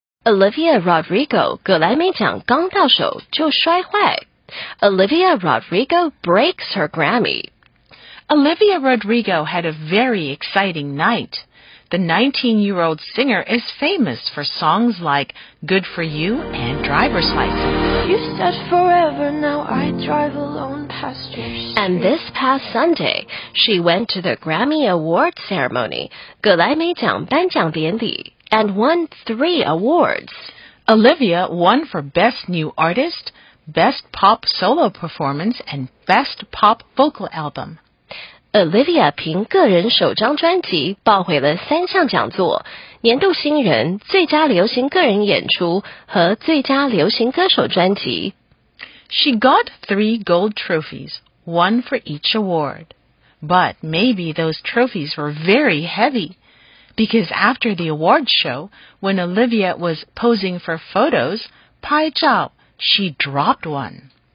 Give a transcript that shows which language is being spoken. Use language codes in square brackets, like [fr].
[zh] Olivia Rodrigo 格莱美奖刚到手就摔坏。 [en] Olivia Rodrigo breaks her Grammy. Olivia Rodrigo had a very exciting night. The 19-year-old singer is famous for songs like Good For You and Driver's License. You said forever, now I drive alone past your street. And this past Sunday, she went to the Grammy Awards ceremony, [zh] 格莱美奖颁奖典礼, [en] and won 3 awards. Olivia won for Best New Artist,Best Pop Solo Performance and Best Pop Vocal Album. [zh] Olivia 凭个人首张专辑抱回了三项讲座，年度新人、最佳流行个人演出和最佳流行歌手专辑。 [en] She got 3 gold trophies, one for each award. But maybe those trophies were very heavy. Because after the awards show, when Olivia was posing for photos, [zh] 拍照 [en] She dropped one.